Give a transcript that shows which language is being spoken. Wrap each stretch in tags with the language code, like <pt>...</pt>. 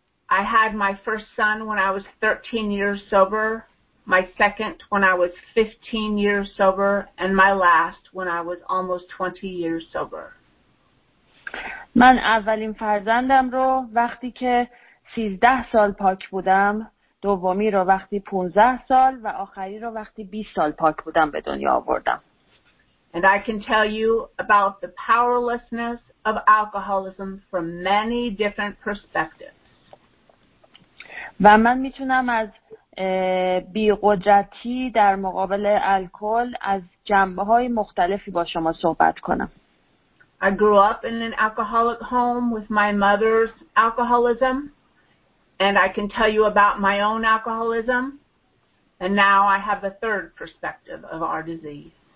<en>I had my first son when I was 13 years sober, my second when I was 15 years sober, and my last when I was almost 20 years sober.</en> <fa>من اولین فرزندم رو وقتی که 13 سال پاک بودم، دومی رو وقتی 15 سال و آخری رو وقتی 20 سال پاک بودم به دنیا آوردم.</fa> <en>And I can tell you about the powerlessness of alcoholism from many different perspectives.</en> <fa>و من میتونم از بی‌قدرتی در مقابل الکل از جنبه‌های مختلفی با شما صحبت کنم.</fa> <en>I grew up in an alcoholic home with my mother's alcoholism. And I can tell you about my own alcoholism. And now I have a third perspective of our disease.</en>